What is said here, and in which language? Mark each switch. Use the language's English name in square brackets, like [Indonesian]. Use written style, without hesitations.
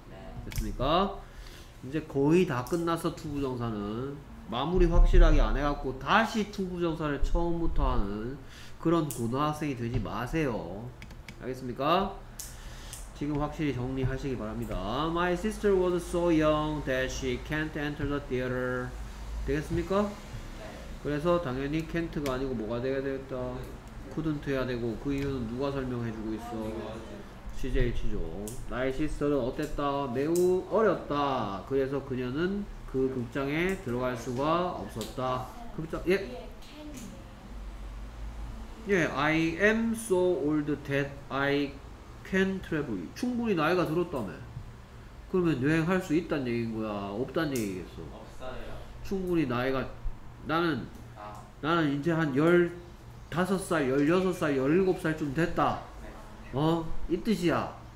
[Korean] 네. 됐습니까? 이제 거의 다 끝났어 투부정사는. 마무리 확실하게 안 해갖고 다시 투부정사를 처음부터 하는 그런 고등학생이 되지 마세요. 알겠습니까? 지금 확실히 정리하시기 바랍니다. [English] My sister was so young that she can't enter the theater. [Korean] 되겠습니까? 그래서 당연히 can't가 아니고 뭐가 돼야 되겠다. couldn't 해야 되고 그 이유는 누가 설명해주고 있어? CJH죠. 나의 시스터는 어땠다? 매우 어렸다. 그래서 그녀는 그 극장에 들어갈 수가 없었다. 극장, 예? 예, [English] I am so old that I can travel. [Korean] 충분히 나이가 들었다며. 그러면 여행할 수 있단 얘기인 거야? 없단 얘기겠어? 없어요. 충분히 나이가, 나는, 나는 이제 한 15살, 16살, 17살쯤 됐다. 어? 이 뜻이야.